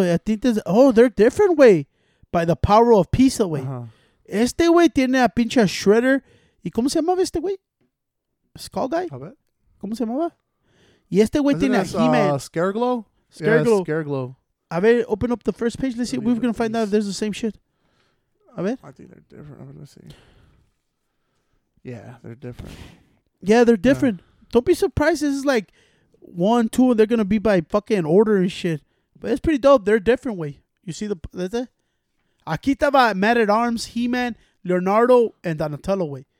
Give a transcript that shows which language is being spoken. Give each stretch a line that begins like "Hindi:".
English: I think they're different, way. By the power of peace, way. Uh-huh.
Spanish: Este güey tiene a pinche Shredder. ¿Y cómo se llamaba este güey?
English: Skull Guy?
Spanish: A ver. ¿Cómo se llamaba? Y este güey tiene a He-Man.
English: Scareglow? Scareglow. Yeah, Scareglow.
Spanish: A ver,
English: open up the first page. Let's see. We're going to find out if there's the same shit.
Spanish: A ver.
English: I think they're different. Let's see. Yeah, they're different. Yeah, they're different. Yeah. Don't be surprised. This is like, one, two, and they're going to be by fucking order and shit. But it's pretty dope. They're a different way. You see the...
Spanish: Aquí estaba
English: Man-at-Arms, He-Man, Leonardo, and Donatello way.